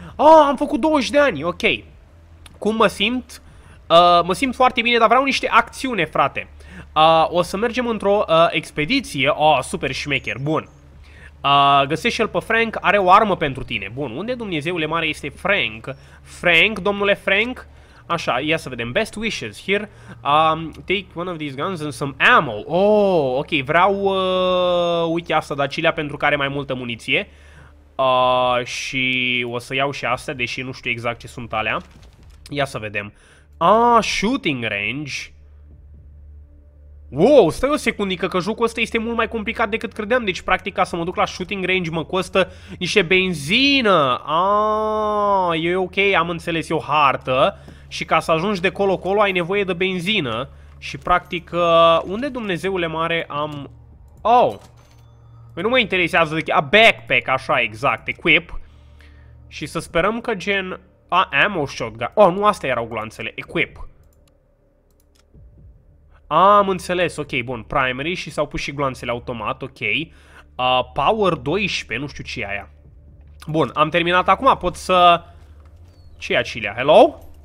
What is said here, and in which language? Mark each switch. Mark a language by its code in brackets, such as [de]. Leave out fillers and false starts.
[ro] Am făcut 20 de ani, ok. Cum mă simt? Mă simt foarte bine, dar vreau niște acțiune, frate. O să mergem într-o expediție. Super șmecher, bun. Găsește-l pe Frank, are o armă pentru tine. Bun, unde Dumnezeule mare este Frank? Frank, domnule Frank? Așa, ia să vedem. [en] Best wishes here. Take one of these guns and some ammo. Oh, ok. [ro] Vreau, uite asta, dacilea, pentru că are mai multă muniție. Și o să iau și astea, deși nu știu exact ce sunt alea. Ia să vedem. Shooting range. Wow, stai o secundică, că jocul ăsta este mult mai complicat decât credeam. Deci, practic, ca să mă duc la shooting range, mă costă niște benzină. E ok, am înțeles, eu hartă. Și ca să ajungi de colo-colo ai nevoie de benzină. Și practic, unde Dumnezeule mare am... Oh! Nu mă interesează de... [en] A backpack, [ro] așa, exact, equip. Și să sperăm că gen... [en] ammo shotgun. [ro] Oh, nu astea erau gloanțele, equip. Am înțeles, ok, bun, primary și s-au pus și gloanțele automat, ok. Power 12, nu știu ce e aia. Bun, am terminat acum, pot să... Ce-i acilea? Hello?